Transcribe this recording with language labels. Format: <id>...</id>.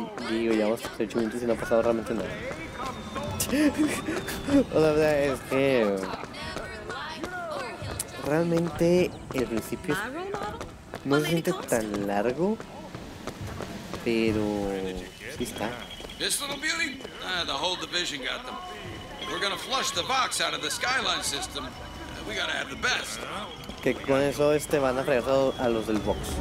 <es>Digo, ya vamos a hacer 8 minutos y no ha pasado realmente nada. O sea, la verdad es que... realmente el principio no se siente tan largo, pero... sí está.</es> <en>This little beauty? The whole division got them. We're gonna flush the box out of the Skyline system. We gotta have the best.</en> <es>Que con eso van a fregar a los del box.</es>